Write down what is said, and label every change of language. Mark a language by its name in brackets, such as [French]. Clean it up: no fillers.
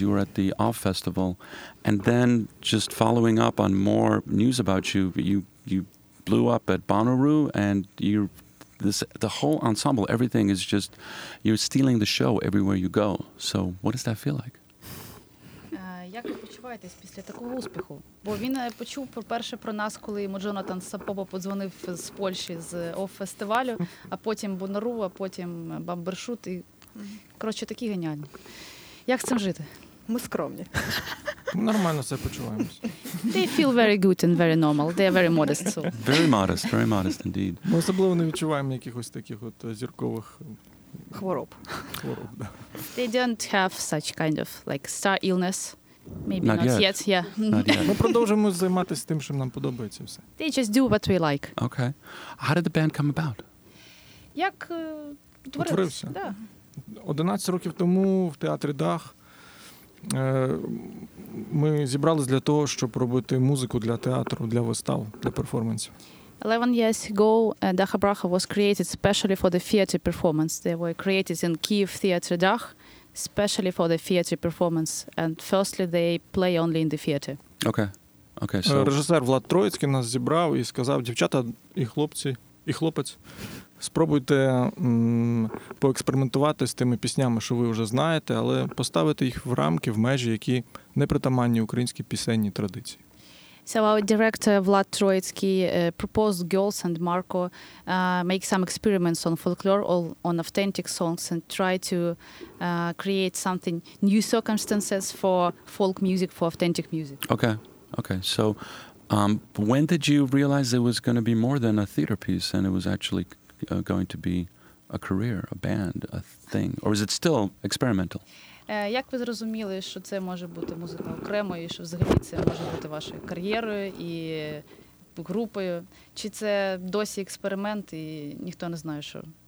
[English] You were at the OFF Festival. And then just following up on more news about you, you blew up at Bonnaroo, and the whole ensemble, everything is just, you're stealing the show everywhere you go. So what does that feel like? [Ukrainian] Як ви почуваєтесь після такого успіху? Бо він почув перше про нас, коли йому Джонатан Сапопа подзвонив з Польщі з ОФ-фестивалю, а потім Бонару, а потім Бамбершут. І, коротше, такі геніальні. Як з цим жити? Ми скромні. Ми нормально себе почуваємося. [English] They feel very good and very normal. They are very modest. So. Very modest indeed. [Ukrainian] Ми особливо не відчуваємо якихось таких от зіркових... Хвороб. Хвороб, да. [English] They don't have such kind of like star illness. Maybe not, yet. Yeah. Not yet. [Ukrainian] Ми продовжуємо займатися тим, що нам подобається все. [English] They just do what we like. Okay. How did the band come about? [Ukrainian] Як утворився? Да. 11 років тому в театрі Дах Ми зібрались для того, щоб робити музику для театру, для вистав, для перформансів. [English] 11 years ago, Dacha Bracha was created specially for the theater performance. They were created in Kyiv Theater Dach, specially for the theater performance. And firstly, they play only in the theater. Okay. Okay, so... [Ukrainian] Режисер Влад Троїцький нас зібрав і сказав, дівчата і хлопці, і хлопець, спробуйте поекспериментувати з тими піснями, що ви вже знаєте, але поставити їх в рамки, в межі, які не притаманні українській пісенній традиції. [English] So our director Vlad Troitsky proposed girls and Marco make some experiments on folklore or on authentic songs and try to create something new circumstances for folk music, for authentic music. Okay. Okay. So when did you realize it was going to be more than a theater piece and it was actually going to be a career, a band, a thing, or is it still experimental? [Ukrainian] Як ви зрозуміли, що це може бути музика окремо, і що взагалі це може бути вашою кар'єрою і групою? Чи це досі експеримент, і ніхто не знає, що?